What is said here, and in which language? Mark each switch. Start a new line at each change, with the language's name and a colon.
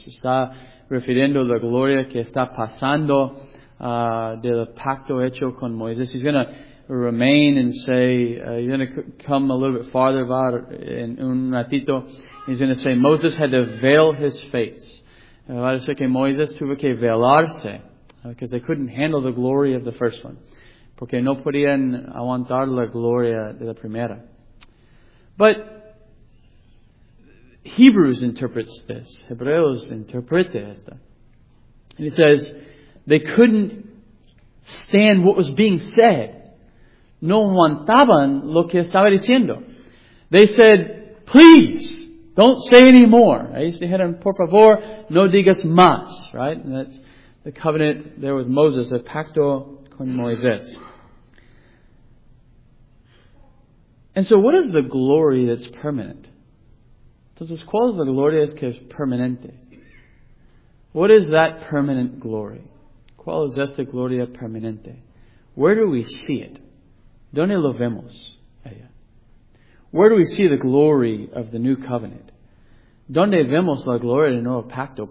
Spanish: Está refiriendo la gloria que está pasando del pacto hecho con Moisés.
English: He's going to remain and say, he's going to come a little bit farther about in
Spanish: un ratito.
English: He's going to say, Moses had to veil his face.
Spanish: Va a decir que Moisés tuvo que velarse
English: because they couldn't handle the glory of the first one.
Spanish: Porque no podían aguantar la gloria de la primera.
English: But Hebrews interprets this.
Spanish: Hebreos interpreta esto.
English: And it says, they couldn't stand what was being said.
Spanish: No aguantaban lo que estaba diciendo.
English: They said, please, don't say anymore.
Spanish: Ahí se dijeron, por favor, no digas más.
English: Right? And that's the covenant there with Moses, the
Spanish: pacto con Moisés.
English: And so what is the glory that's permanent?
Spanish: Entonces, ¿cuál es la gloria que es permanente?
English: What is that permanent glory?
Spanish: ¿Cuál es esta gloria permanente?
English: Where do we see it?
Spanish: ¿Dónde lo vemos?
English: Where do we see the glory of the new covenant?
Spanish: ¿Dónde vemos la gloria del nuevo pacto?